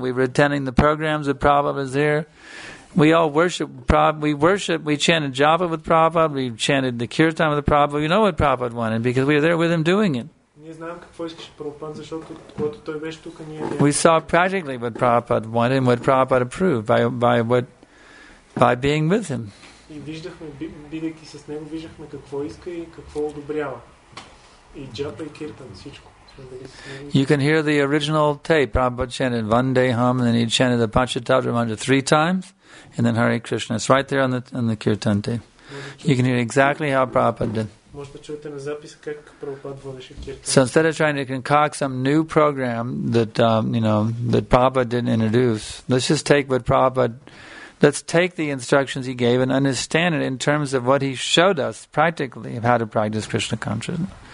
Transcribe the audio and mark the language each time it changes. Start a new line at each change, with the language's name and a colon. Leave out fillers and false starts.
English: We were attending the programs that Prabhupada was there. We all worship Prabhupada. We chanted Japa with Prabhupada. We chanted the kirtan with Prabhupada. We know what Prabhupada wanted because we were there with him doing it. We saw practically what Prabhupada wanted and what Prabhupada approved by being with him.
Bulgarian: И виждахме, бидейки с него, виждахме какво иска и какво одобрява. И джапа и киртан, всичко.
English: You can hear the original tape. Prabhupada chanted Vandeham, and then he chanted the Panchatantra mantra 3 times, and then Hare Krishna. It's right there on the kirtan tape. You can hear exactly how Prabhupada did. So instead of trying to concoct some new program that that Prabhupada didn't introduce, let's just take what Let's take the instructions he gave and understand it in terms of what he showed us practically of how to practice Krishna consciousness.